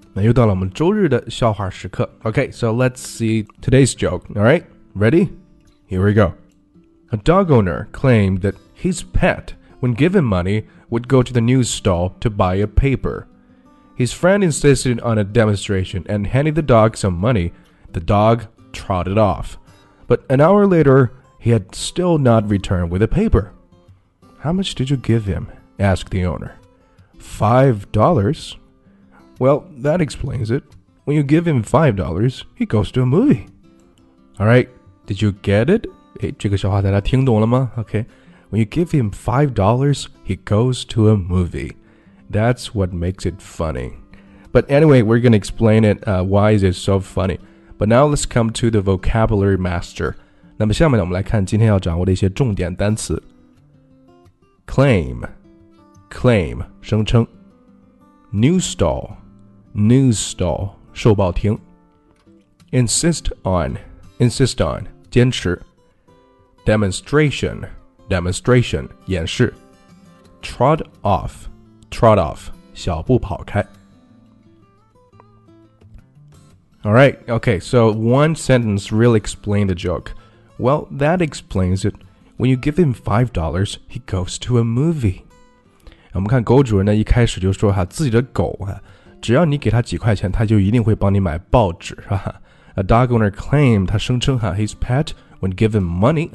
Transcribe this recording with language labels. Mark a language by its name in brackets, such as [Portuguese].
[Chinese] 那又到了我们周日的笑话时刻。 [English] Okay, so let's see today's joke. All right, ready? Here we go. A dog owner claimed that his pet, when given money, would go to the news stall to buy a paper. His friend insisted on a demonstration and handed the dog some money. The dog trotted off. But an hour later, he had still not returned with a paper. How much did you give him? Asked the owner. $5. Well, that explains it. When you give him $5, he goes to a movie. All right, did you get it? [Chinese] 这个笑话大家听懂了吗 [English] Okay. When you give him $5, he goes to a movie. That's what makes it funny. But anyway, we're going to explain it, why is it so funny. But now let's come to the vocabulary master. [Chinese] 那么下面我们来看今天要掌握的一些重点单词。 [English] Claim, claim, [Chinese] 声称。 [English] News stall, news stall, [Chinese] 售报亭。 [English] Insist on, insist on, [Chinese] 坚持。 [English] Demonstration, demonstration, [Chinese] 演示。 [English] Trot off, Trot off, [Chinese] 小步跑开。 [English] All right, okay, so one sentence really explained the joke. Well, that explains it. When you give him $5, he goes to a movie. [Chinese] 我们看狗主人呢一开始就说哈自己的狗啊只要你给他几块钱他就一定会帮你买报纸是吧。 [English] A dog owner claimed, [Chinese] 他声称哈 [English] his pet, when given money,